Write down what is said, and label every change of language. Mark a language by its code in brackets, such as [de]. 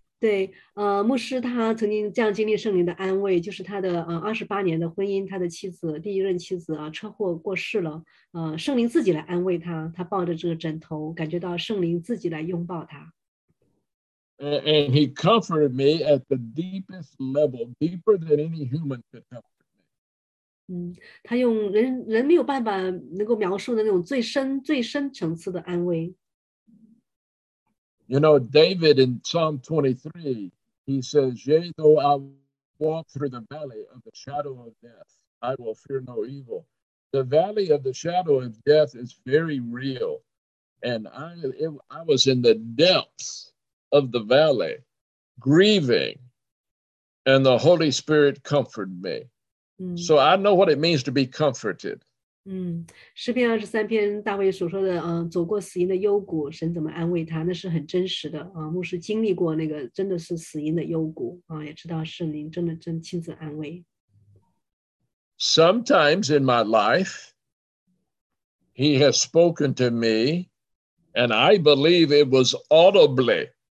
[zh] 对，牧师他曾经这样经历圣灵的安慰，就是他的28年的婚姻，他的妻子，第一任妻子车祸过世了，圣灵自己来安慰他，他抱着这个枕头，感觉到圣灵自己来拥抱他。 [en] And he comforted me at the deepest level, deeper than any human could comfort me. [zh] 他用人没有办法能够描述的那种最深层次的安慰。 [en] You know, David in Psalm 23, he says, Yea, though I walk through the valley of the shadow of death, I will fear no evil. The valley of the shadow of death is very real. And I was in the depths. Of the valley, grieving, and the Holy Spirit comforted me. So I know what it means to be comforted. [zh] 诗篇二十三篇大卫所说的，走过死荫的幽谷，神怎么安慰他？那是很真实的啊。牧师经历过那个，真的是死荫的幽谷啊，也知道圣灵真亲自安慰。 [en] Sometimes in my life, He has spoken to me, and I believe it was audibly.